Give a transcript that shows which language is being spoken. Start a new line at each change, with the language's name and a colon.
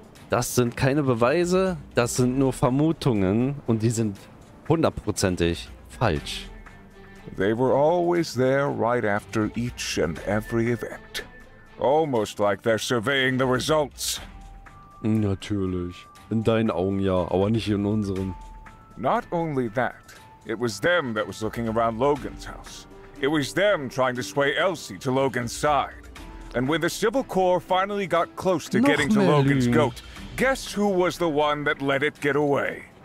German: Das sind keine Beweise, das sind nur Vermutungen. Und die sind... Hundertprozentig falsch.
English: They were always there right after each and every event. Almost like they're surveying the results.
German: Natürlich. In deinen Augen ja, aber nicht in unseren.
English: Not only that, it was them that was looking around Logan's house. It was them trying to sway Elsie to Logan's side. And when the Civil Corps finally got close to getting to Logan's goat, Guess who was the one that let it get away?